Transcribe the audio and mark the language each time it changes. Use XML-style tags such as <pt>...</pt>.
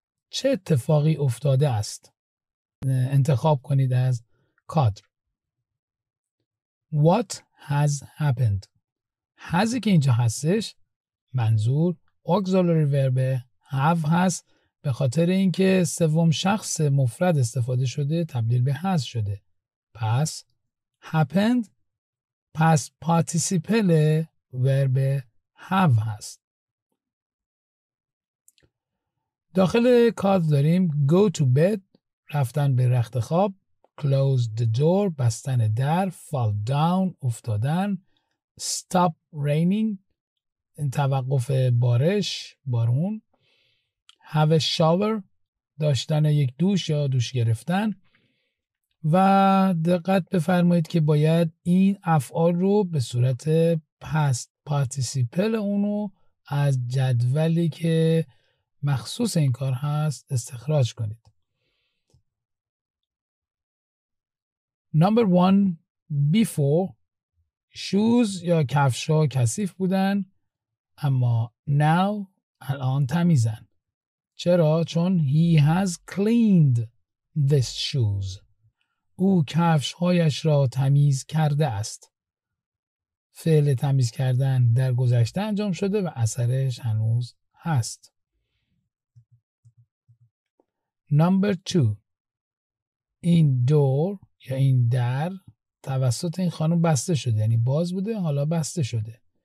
<fa>چه اتفاقی افتاده است؟ انتخاب کنید از کادر.</fa> <en>What has happened?</en> <fa>هزی که اینجا هستش منظور</fa> <en>auxiliary verb have</en> <fa>هست، به خاطر اینکه سوم شخص مفرد استفاده شده تبدیل به has شده. پس happened پس</fa> <en>participle verb have</en> <fa>هست. داخل کادر داریم</fa> <en>go to bed،</en> <fa>رفتن به رخت خواب.</fa> <en>Close the door،</en> <fa>بستن در.</fa> <en>Fall down،</en> <fa>افتادن.</fa> <en>Stop raining،</en> <fa>توقف بارش، بارون.</fa> <en>Have a shower،</en> <fa>داشتن یک دوش یا دوش گرفتن. و دقت بفرمایید که باید این افعال رو به صورت past participle اونو از جدولی که مخصوص این کار هست استخراج کنید.</fa> <en>Number one, before shoes</en> <fa>یا کفش ها کثیف بودن اما</fa> <en>now</en> <fa>الان تمیزن. چرا؟ چون</fa> <en>he has cleaned these shoes.</en> <fa>او کفش هایش را تمیز کرده است. فعل تمیز کردن در گذشته انجام شده و اثرش هنوز هست.</fa> <en>Number two,</en> <fa>این door یا این در توسط این خانم بسته شده، یعنی باز بوده حالا بسته شده.</fa>